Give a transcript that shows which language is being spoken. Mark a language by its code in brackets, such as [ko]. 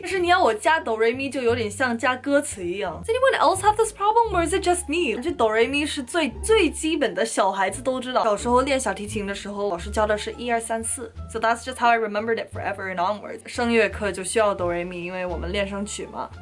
[zh] 但是你要我加哆瑞咪，就有点像加歌词一样。 [en] Does anyone else have this problem, or is it just me? [zh] 这哆瑞咪是最最基本的，小孩子都知道。小时候练小提琴的时候，老师教的是1、2、3、4。 [en] So that's just how I remembered it forever and onwards. [zh] 声乐课就需要哆瑞咪，因为我们练声曲嘛。